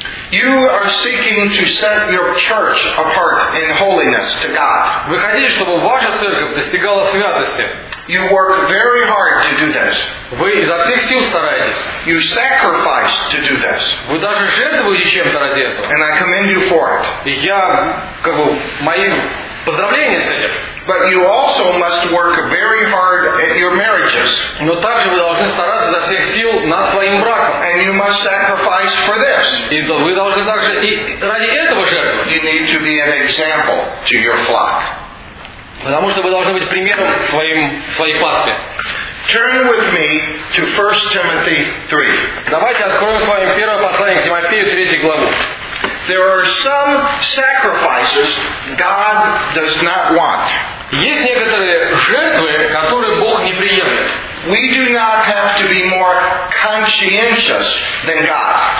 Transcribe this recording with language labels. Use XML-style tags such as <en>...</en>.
<en>You are seeking to set your church apart in holiness to God.</en> <ru>Вы хотите, чтобы ваша церковь достигала святости.</ru> <en>You work very hard to do this.</en> <ru>Вы изо всех сил стараетесь.</ru> <en>You sacrifice to do this.</en> <ru>Вы даже жертвуете чем-то ради этого.</ru> <en>And I commend you for it.</en> <ru>Я как бы мои поздравления с этим.</ru> <en>But you also must work very hard at your marriages.</en> <ru>Но также вы должны стараться изо всех сил над своим браком.</ru> <en>And you must sacrifice for this.</en> <ru>И вы должны также и ради этого жертвовать.</ru> <en>You need to be an example to your flock.</en> <ru>Потому что вы должны быть примером своей пастве.</ru> <en>Turn with me to 1 Timothy 3.</en> <ru>Давайте откроем с вами первое послание к Тимофею, 3 главу.</ru> <en>There are some sacrifices God does not want.</en> <ru>Есть некоторые жертвы, которые Бог не приемлет.</ru> <en>We do not have to be more conscientious than God.</en>